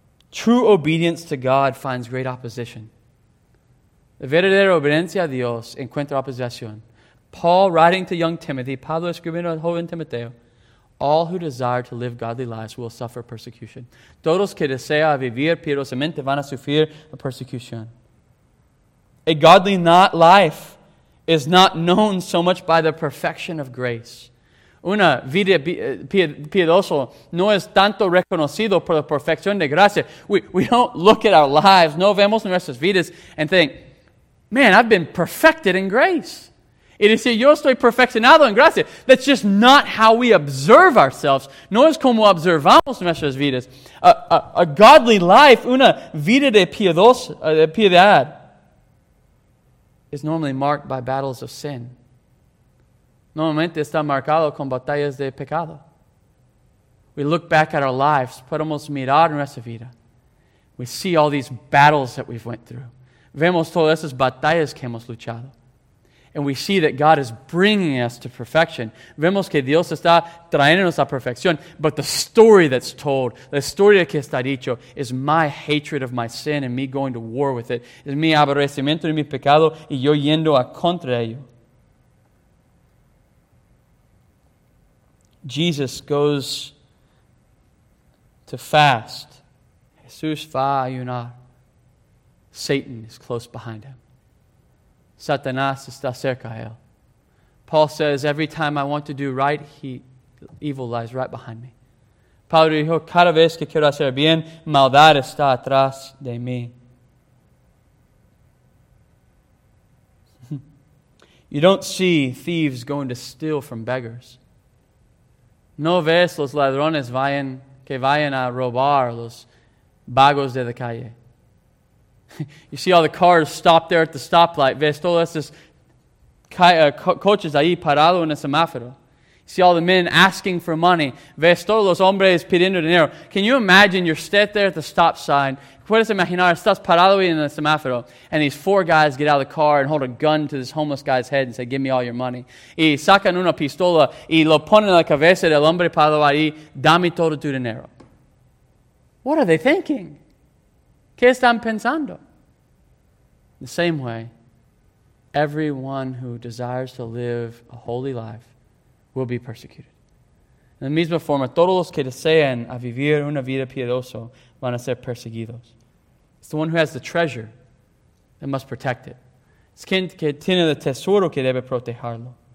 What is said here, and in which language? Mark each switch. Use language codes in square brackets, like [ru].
[en] True obedience to God finds great opposition. [es] La verdadera obediencia a Dios encuentra oposición. [en] Paul writing to young Timothy, [es] Pablo escribiendo al joven Timoteo, [en] all who desire to live godly lives will suffer persecution. [es] Todos que desean vivir piadosamente van a sufrir la persecución. [en] A godly life is not known so much by the perfection of grace. [es] Una vida piadosa no es tanto reconocido por la perfección de gracia. [en] We don't look at our lives, [es] no vemos nuestras vidas, [en] and think, man, I've been perfected in grace. [es] Y dice, yo estoy perfeccionado en gracia. [en] That's just not how we observe ourselves. [es] No es como observamos nuestras vidas. [en] A godly life, [es] una vida de piedad, [en] is normally marked by battles of sin. [es] Normalmente está marcado con batallas de pecado. [en] We look back at our lives, [es] podemos mirar nuestra vida. [en] We see all these battles that we've went through. [es] Vemos todas esas batallas que hemos luchado. [en] And we see that God is bringing us to perfection. [es] Vemos que Dios está trayéndonos a perfección. [en] But the story that's told, [es] la historia que está dicho, [en] is my hatred of my sin and me going to war with it. [es] Es mi aborrecimiento de mi pecado y yo yendo a contra ello. [en] Jesus goes to fast. [es] Jesús va a ayunar. [en] Satan is close behind him. [es] Satanás está cerca a él. [en] Paul says, every time I want to do right, evil lies right behind me. [es] Pablo dijo, cada vez que quiero hacer bien, maldad está atrás de mí. [en] You don't see thieves going to steal from beggars. [es] No ves los ladrones que vayan a robar los vagos de la calle. [en] You see all the cars stopped there at the stoplight. [es] Ves todos esos coches ahí parados en el semáforo. [en] You see all the men asking for money. [es] Ves todos los hombres pidiendo dinero. [en] Can you imagine you're stood there at the stop sign? [es] Puedes imaginar, estás parado en el semáforo, [en] and these four guys get out of the car and hold a gun to this homeless guy's head and say, give me all your money. [es] Y sacan una pistola y lo ponen en la cabeza del hombre parado ahí, dame todo tu dinero. [en] What are they thinking? [es] ¿Qué están pensando? [en] The same way, everyone who desires to live a holy life will be persecuted. [es] En la misma forma, todos los que desean a vivir una vida piadosa van a ser perseguidos. [en] It's the one who has the treasure that must protect it. [es] Es quien que tiene el tesoro que debe protegerlo.